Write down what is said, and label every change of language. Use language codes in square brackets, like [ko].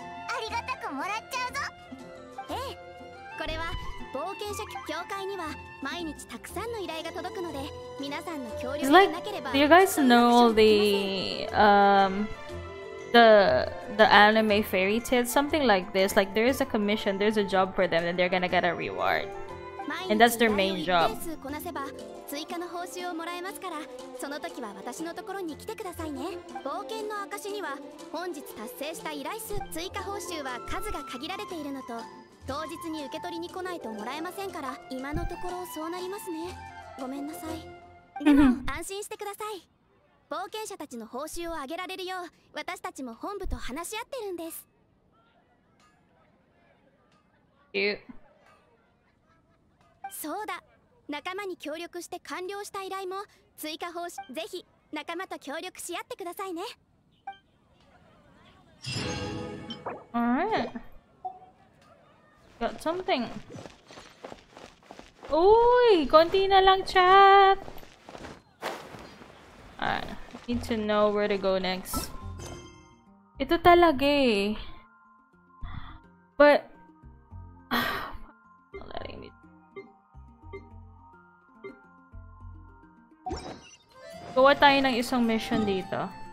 [ja] ありがたくもらっちゃうぞ。ええ、これは冒険者協会には毎日たくさんの依頼が届くので、皆さんの協力がなければ。 [en] Do you guys know all the, the anime fairy tales, something like this? Like there is a commission, there's a job for them, and they're gonna get a reward, and that's their main job. [ja] 毎日依頼を1点数こなせば追加の報酬をもらえますから、その時は私のところに来てくださいね。冒険の証には本日達成した依頼数追加報酬は数が限られているのと。当日に受け取りに来ないともらえませんから、今のところそうなりますね。ごめんなさい。でも安心してください。冒険者たちの報酬を上げられるよう、私たちも本部と話し合ってるんです。そうだ。仲間に協力して完了した依頼も追加報酬、ぜひ仲間と協力し合ってくださいね。あれ？ [en] Got something. [tl] Uy, konti na lang chat. [en] Alright, need to know where to go next. [tl] Ito talaga eh. [en] But not letting me [tl] gawa tayo ng isang mission dito.